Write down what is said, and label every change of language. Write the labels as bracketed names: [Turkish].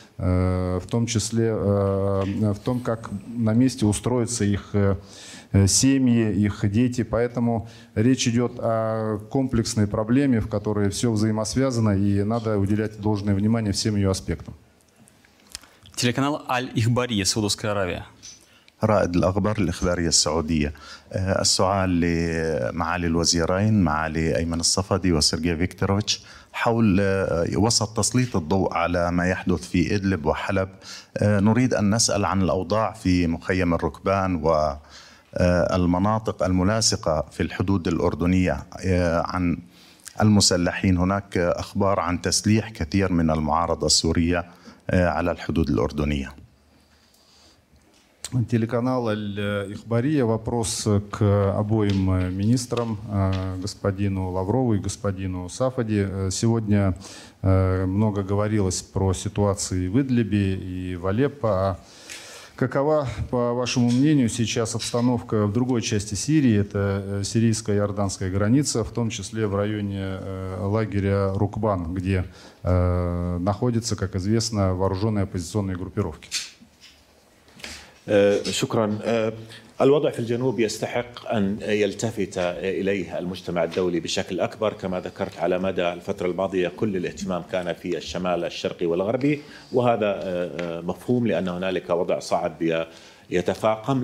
[Russian] в том числе в том, как на месте устроятся их семьи, их дети. Поэтому речь идет о комплексной проблеме, в которой все взаимосвязано, и надо уделять должное внимание всем ее аспектам. Телеканал «Аль-Ихбария», Саудовская Аравия. [Arabic] رائد الأخبار الإخبارية السعودية. السؤال لمعالي الوزيرين معالي أيمن الصفدي وسيرجي فيكتوروفيتش حول وسط تسليط الضوء على ما يحدث في إدلب وحلب. نريد أن نسأل عن الأوضاع في مخيم الركبان والمناطق الملاصقة في الحدود الأردنية عن المسلحين. هناك أخبار عن تسليح كثير من المعارضة السورية على الحدود الأردنية. [Russian] Телеканал «Аль-Ихбария». Вопрос к обоим министрам, господину Лаврову и господину Сафади. Сегодня много говорилось про ситуации в Идлибе и в Алеппо. Какова, по вашему мнению, сейчас обстановка в другой части Сирии? Это сирийско-иорданская граница, в том числе в районе лагеря Рукбан, где находятся, как известно, вооруженные оппозиционные группировки. [Arabic] شكرا. الوضع في الجنوب يستحق أن يلتفت إليه المجتمع الدولي بشكل أكبر. كما ذكرت، على مدى الفترة الماضية كل الاهتمام كان في الشمال الشرقي والغربي، وهذا مفهوم لأن هنالك وضع صعب يتفاقم.